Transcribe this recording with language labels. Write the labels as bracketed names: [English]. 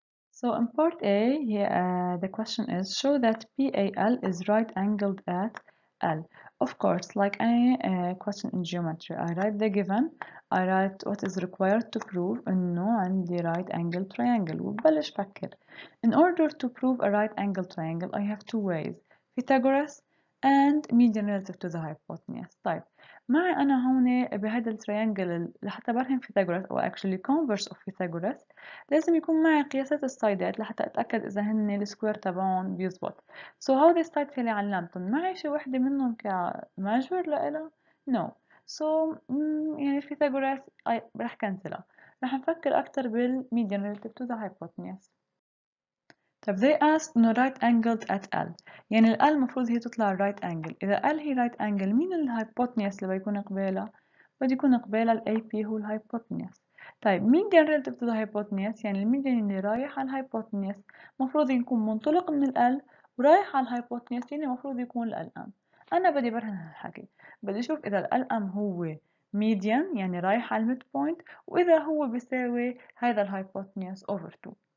[English] So in part A the question is show that PAL is right angled at L. Of course like any question in geometry I write the given, I write what is required to prove [Arabic] انه عندي [English] right angle triangle [Arabic] وببلش فكر. [English] In order to prove a right angle triangle I have two ways Pythagoras and median relative to the hypotenuse. [Arabic] طيب معي أنا هون بهذا التريانجل لحتى برهن فيثاغورس أو [English] actually converse of [Arabic] فيثاغورس لازم يكون معي قياسات السايدات لحتى أتأكد إذا هن السكوير تبعهم بيزبط. [English] So how the side [Arabic] اللي علمتهم معي شي وحدة منهم كمجبر لإلها؟ No. So يعني فيثاغورس رح كنسلها، رح نفكر أكثر بالميديان [English] relative to the hypotenuse. [Arabic] طب [English] they asked [Arabic] إنه [English] right angled at L، [Arabic] يعني ال المفروض هي تطلع right angle. إذا L هي right angle، مين ال hypotenuse اللي بيكون قبالها؟ بده يكون قبال ال AP هو ال hypotenuse. طيب مين جن relative to the hypotenuse؟ يعني المين اللي رايح على ال hypotenuse مفروض يكون منطلق من ال L ورايح على ال hypotenuse، يعني مفروض يكون ال M. أنا بدي برهن هالحكي، بدي أشوف إذا ال M هو median يعني رايح على ال midpoint، وإذا هو بيساوي هذا ال [English] hypotenuse over 2.